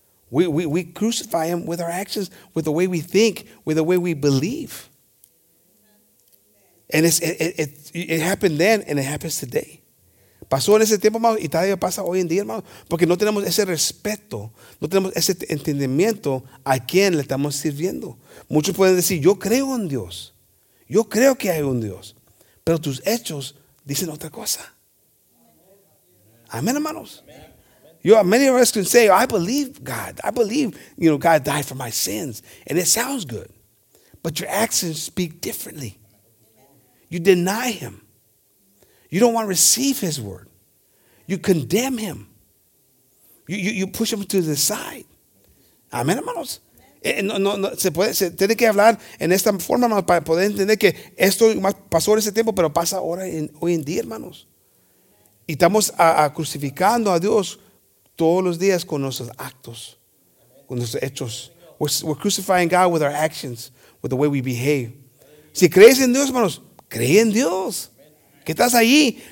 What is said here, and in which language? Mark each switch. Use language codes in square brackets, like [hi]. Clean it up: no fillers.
[en] We crucify him with our actions, with the way we think, with the way we believe. And it happened then, and it happens today. [es] Pasó en ese tiempo, hermano, y todavía pasa hoy en día, hermano, porque no tenemos ese respeto, no tenemos ese entendimiento a quién le estamos sirviendo. Muchos pueden decir, yo creo en Dios, yo creo que hay un Dios, pero tus hechos dicen otra cosa. Amén, hermanos. [en] Many of us can say, I believe God. I believe, you know, God died for my sins, and it sounds good, but your actions speak differently. You deny him. You don't want to receive his word. You condemn him. You push him to the side. [es] Amén, hermanos. No, se puede, se tiene que hablar en esta forma, hermanos, para poder entender que esto pasó en ese tiempo, pero pasa ahora hoy en día, hermanos. Y estamos crucificando a Dios todos los días con nuestros actos, con nuestros hechos. [en] We're crucifying God with our actions, with the way we behave. [es] Si crees en Dios, hermanos, cree en Dios, que estás allí.